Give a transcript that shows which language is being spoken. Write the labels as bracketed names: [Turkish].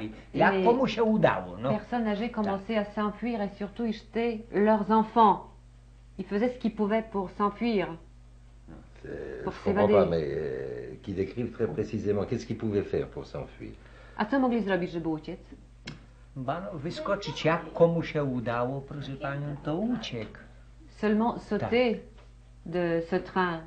[French] Personnes âgées commençaient à s'enfuir et surtout ils jetaient leurs enfants. Ils faisaient ce qu'ils pouvaient pour s'enfuir. Pour s'évader. Je comprends pas, mais qui décrivent très précisément qu'est-ce qu'ils pouvaient faire pour s'enfuir. [Polish] A co mogli zrobić, żeby uciec? Bano, wyskoczyć, jak komu się udało, proszę panią, to uciek. [French] Seulement sauter de ce train.